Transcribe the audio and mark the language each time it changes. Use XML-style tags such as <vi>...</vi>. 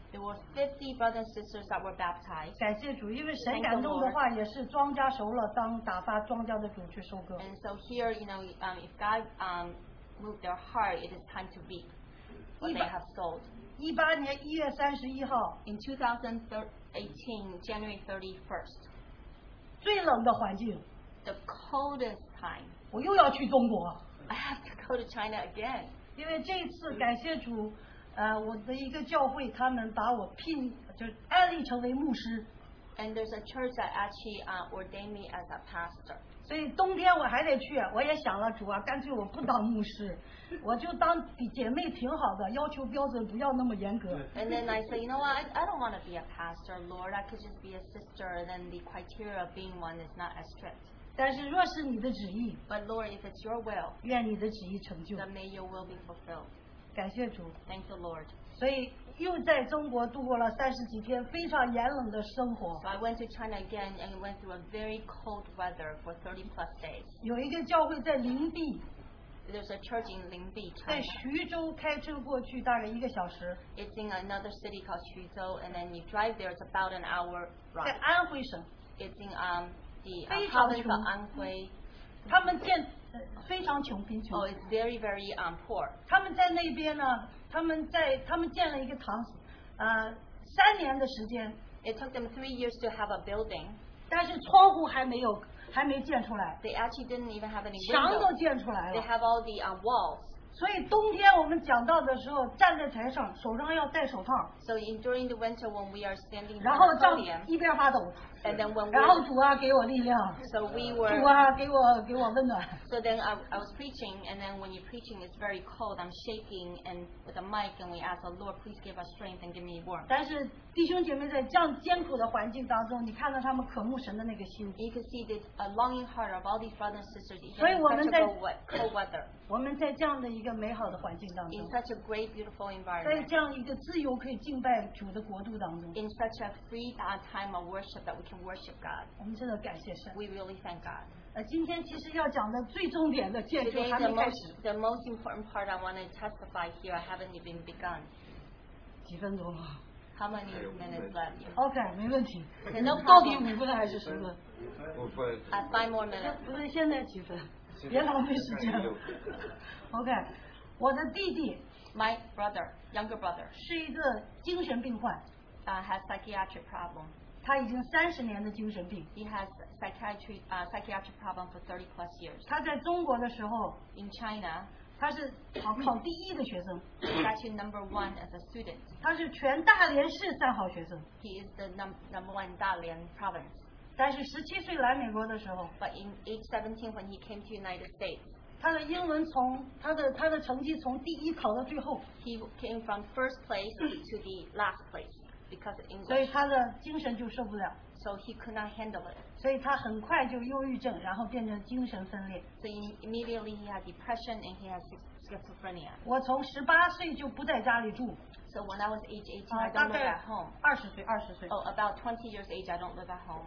<en>There were 50 brothers and sisters that were baptized.</en> <zh>感谢主, 因为神感动的话, 也是庄家熟了, 当打发庄家的主去收割。</zh> <en>And so here, you know, if God moved their heart, it is time to reap what they have sold.</en> <zh>18年 1月31号,</zh> <en>in 2018, January 31st,</en> <zh>最冷的环境,</zh> <en>the coldest time,</en> <zh>我又要去中国,</zh> <en>I have to go to China again.</en> <zh>因为这次感谢主, 我的一个教会, 他们把我聘, 就安立成为牧师,</zh> <en>and there's a church that actually ordained me as a pastor.</en> <zh>所以冬天我还得去, 我也想了主啊, 干脆我不当牧师, 我就当姐妹挺好的, 要求标准不要那么严格。</zh> <en>And then I said, you know what, I don't want to be a pastor, Lord, I could just be a sister, then the criteria of being one is not as strict.</en> <zh>但是若是你的旨意,</zh> <en>but Lord, if it's your will,</en> <zh>愿你的旨意成就,</zh> <en>then may your will be fulfilled.</en> <zh>感谢主,</zh> <en>thank the Lord.</en> <zh>所以又在中国度过了30几天, 非常严冷的生活。</zh> <en>So I went to China again and went through a very cold weather for 30 plus days.</en> <zh>有一个教会在灵璧,</zh> <en>there's a church in Lingbi, China.</en> <zh>在徐州开车过去, 大概1个小时。</zh> <en>It's in another city called Xuzhou, and then you drive there, it's about an hour ride.</en> <zh>在安徽省,</zh> <en>it's in the province of Anhui.</en> <zh>他们建, 非常穷, 贫穷。</zh> <en>Oh, it's very, very poor.</en> <zh>他们在那边呢, 他们在, 他们建了一个堂, 3年的时间,</zh> <en>it took them 3 years to have a building.</en> <zh>但是窗户还没有, 还没建出来,</zh> <en>they actually didn't even have any windows.</en> <zh>墙都建出来了,</zh> <en>they have all the walls.</en> <zh>所以冬天我们讲到的时候, 站在台上, 手上要戴手套,</zh> <en>so in, during the winter when we are standing,</en> <zh>然后这样一边发抖,</zh> <en>and then when we,</en> <zh>然后主啊, 给我力量,</zh> <en>so we were,</en> <zh>主啊, 给我, 给我温暖,</zh> <en>so then I was preaching, and then when you're preaching it's very cold, I'm shaking and with a mic, and we ask the Lord, please give us strength and give me warmth.</en> <zh>但是弟兄姐妹在这样艰苦的环境当中, 你看到他们渴慕神的那个心,</zh> <en>you can see the longing heart of all these brothers and sisters, even in such cold weather.</en> <zh>我们在这样的一个美好的环境当中,</zh> <en>in such a great beautiful environment,</en> <zh>在这样一个自由可以敬拜主的国度当中,</zh> <en>in such a free time of worship that we can worship God.</en> <zh>我们真的感谢神,</zh> <en>we really thank God.</en> <zh>今天其实要讲的最重点的建筑还没开始。</zh> <en>The most important part I want to testify here, I haven't even begun.</en> <zh>几分钟了?</zh> <en>How many minutes left?</en> <zh>OK, 没问题。</zh> <en>Okay, no problem.</en> <zh>到底5分还是10分?</zh> <en>Five more minutes.</en> <zh>现在几分?别浪费时间。OK, 我的弟弟,</zh> <en>my brother, younger brother,</en> <zh>是一个精神病患,</zh> <en>has psychiatric problem.</en> <zh>他已经30年的精神病,</zh> <en>he has psychiatric problem for 30 plus years.</en> <zh>他在中国的时候,</zh> <en>in China,</en> <zh>他是考第一的学生,</zh> <en>he's actually number one as a student.</en> <zh>他是全大连市三好学生,</zh> <en>he is the number one 大连 province.</en> <zh>但是17岁来美国的时候,</zh> <en>but in age 17 when he came to United States,</en> <zh>他的英文从, 他的成绩从第一考到最后,</zh> <en>he came from first place to the last place because of English.</en> <zh>所以他的精神就受不了,</zh> <en>so he could not handle it.</en> <zh>所以他很快就忧郁症, 然后变成精神分裂,</zh> <en>so immediately he had depression and he had schizophrenia.</en> <zh>我从18岁就不在家里住,</zh> <en>so when I was age 18, I don't live at home.</en> <zh>20岁, 20岁.</zh> <en>Oh, about 20 years age, I don't live at home.</en>